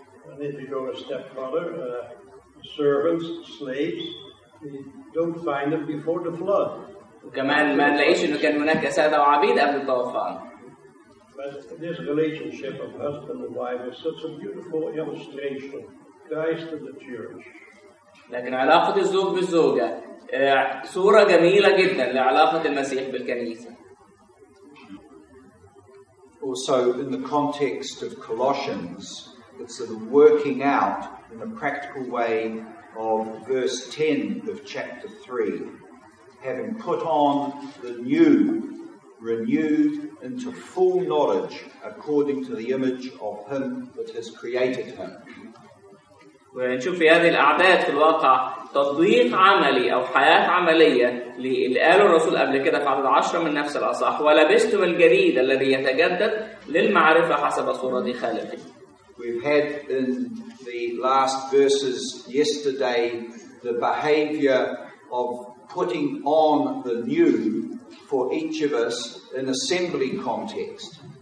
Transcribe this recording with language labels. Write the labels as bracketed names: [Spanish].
[English] And if you go a step further, servants, slaves, you don't find them before the flood. [Arabic] وكمان ما نلاقيش إنه كان هناك سادة وعبيد قبل الطوفان. [English] But this relationship of husband and wife is such a beautiful illustration of Christ and the church. [Arabic] لكن علاقة الزوج بالزوجة صورة جميلة جدا لعلاقة المسيح بالكنيسة. [English] Also, in the context of Colossians, it's the working out in a practical way of verse 10 of chapter 3, having put on the new. Renewed into full knowledge according to the image of him that has created him. [Arabic] ونشوف في هذه الأعداد في الواقع تطبيق عملي أو حياة عملية للي قاله الرسول قبل كده في عدد 10 من نفس الأصح ولبستم الجديد الذي يتجدد للمعرفة حسب صورة خالقه. [English] We've had in the last verses yesterday the behavior of putting on the new for each of us in assembly context.